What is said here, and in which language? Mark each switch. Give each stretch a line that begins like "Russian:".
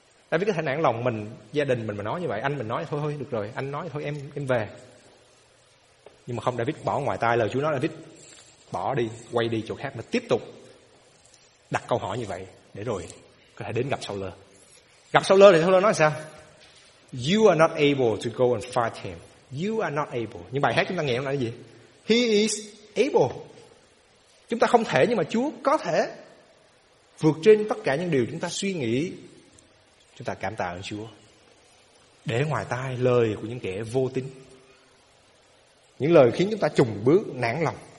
Vietnamese: David có thể nản lòng mình, gia đình mình mà nói như vậy, anh mình nói thôi được rồi, anh nói thôi em về. Nhưng mà không, David bỏ ngoài tai lời Chúa nói, David bỏ đi, quay đi chỗ khác mà tiếp tục đặt câu hỏi như vậy, để rồi có thể đến gặp Saul. Gặp Saul thì Saul nói sao?
English: You are not able to go and fight him. You are not able.
Vietnamese: Những bài hát chúng ta nghe hôm nay là gì?
English: He is able.
Vietnamese: Chúng ta không thể, nhưng mà Chúa có thể. Vượt trên tất cả những điều chúng ta suy nghĩ. Chúng ta cảm tạ ơn Chúa. Để ngoài tai lời của những kẻ vô tín. Những lời khiến chúng ta chùng bước, nản lòng.